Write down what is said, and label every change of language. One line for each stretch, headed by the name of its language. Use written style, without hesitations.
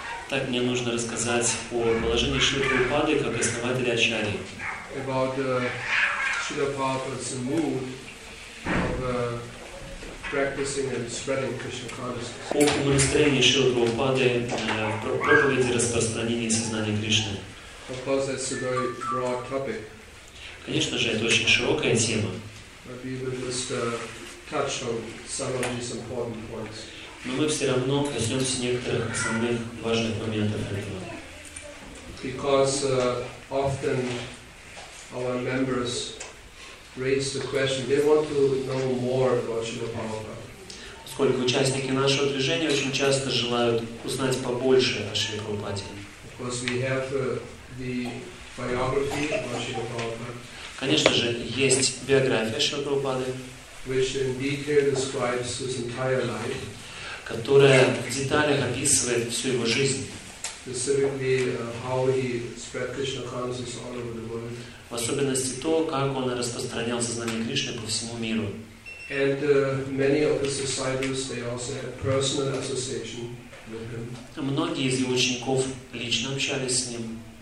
Russian: Так мне нужно рассказать о положении Шрилы Прабхупады как основателя Ачарьи.
English: About Srila Prabhupada's mood of practicing and spreading Krishna consciousness.
Russian: О умонастроении Шрилы Прабхупады в проповеди распространения сознания Кришны.
English: Of course, that's a very broad topic.
Russian: Конечно же, это очень широкая тема.
English: Maybe we just touch on some of these important points.
Russian: Но мы все равно коснемся некоторых основных важных моментов этого.
English: Because often our members raise the question, they want to know more about Srila Prabhupada.
Russian: Поскольку участники нашего движения очень часто желают узнать побольше о Шри Прабхупаде.
English: Because we have the biography about Srila Prabhupada.
Russian: Конечно же, есть биография Шри Прабхупады,
English: which in detail describes his entire life,
Russian: которая в деталях описывает всю его жизнь. В особенности то, как он распространял сознание Кришны по всему миру. Многие из его учеников лично общались с ним.